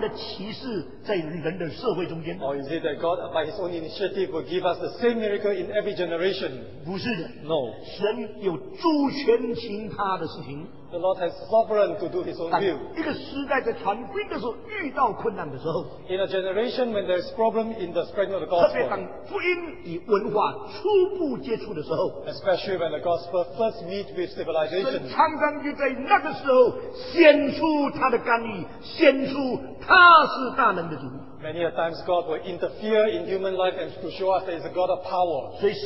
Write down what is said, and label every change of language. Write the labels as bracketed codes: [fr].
[zh] 或者是不是神主动的在每个时代都彰显同样的奇事在人的社会中间? [en] Or is it that God by his own initiative will give us the same miracle in every generation? [zh] 不是的, [en] no. [zh] 神有主权行他的事情, [en] the Lord has sovereign to do his own will. [zh] 一个时代在传福音的时候遇到困难的时候, [en] in a generation when there is problem in the spreading of the gospel, [zh] 特别当福音与文化初步接触的时候, [en] especially when the gospel first meets with civilization, [zh] 神常常就在那个时候显出他的干预, 显出他是大能的主, [en] many a times God will interfere in human life and to show us that he's a God of power.